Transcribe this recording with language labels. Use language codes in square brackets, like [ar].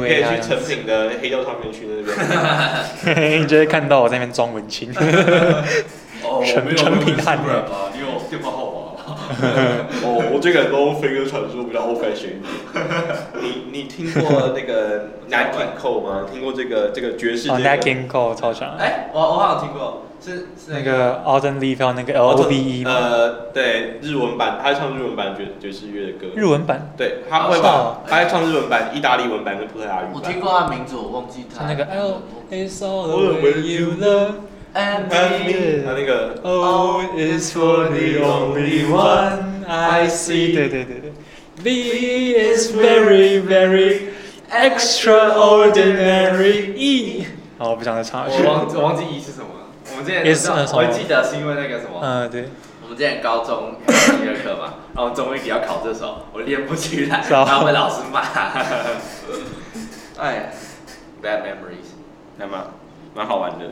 [zh] 可以去成品的黑胶唱片区那边，你就会看到我在那边装文青，成品汉子，你有电话号码吗？我这个人都飞鸽传书比较 old fashion 一点。你听过那个 Nat King Cole 吗？听过这个爵士、 Nat King Cole 超强。哎、欸，我好像听过，是那个 Alden Leaf 那个 L O V E 吗？对，日文版，他唱日文版爵士乐的歌。日文版？对，他会把、他在唱日文版、意大利文版跟葡萄牙语版。我听过他的名字，我忘记他。 [en] 那个 L is all the way you love。 And me, oh, is for the only one I see. [zh] 对 [en] V is very, very extraordinary. E. [zh] 好，我不想再唱了。我忘记 E 是什么。我们之前，我记得是因为那个什么。对。我们之前高中音乐课嘛，然后中文也要考这首，我练不起来，然后被老师骂。 [en] 哎，bad memories， [zh] 那么。蛮好玩的，